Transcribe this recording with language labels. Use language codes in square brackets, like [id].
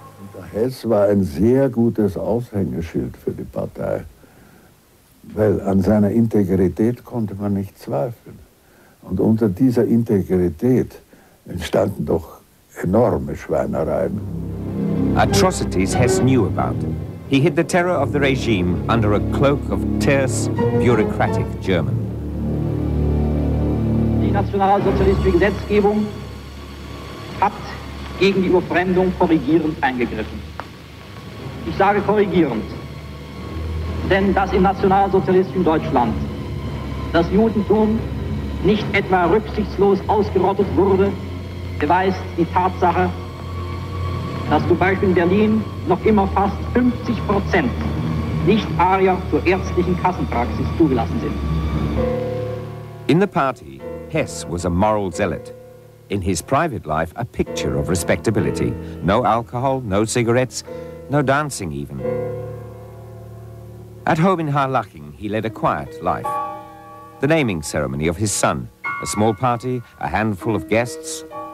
[de] Und der Hess war ein sehr gutes Aushängeschild für die Partei, weil an seiner Integrität konnte man nicht zweifeln. Und unter dieser Integrität entstanden doch enorme Schweinereien. [en] Atrocities Hess knew about. He hid the terror of the regime under a cloak of terse, bureaucratic German. [de] Die nationalsozialistische Gesetzgebung hat gegen die Überfremdung korrigierend eingegriffen. Ich sage korrigierend, denn dass im nationalsozialistischen Deutschland das Judentum nicht etwa rücksichtslos ausgerottet wurde, beweist die Tatsache, dass zum Beispiel in Berlin noch immer fast 50% Nicht-Arier zur ärztlichen Kassenpraxis zugelassen sind. [en] In the party, Hess was a moral zealot. In his private life, a picture of respectability. No alcohol, no cigarettes, no dancing even. At home in Harlaching, he led a quiet life. The naming ceremony of his son, a small party, a handful of guests.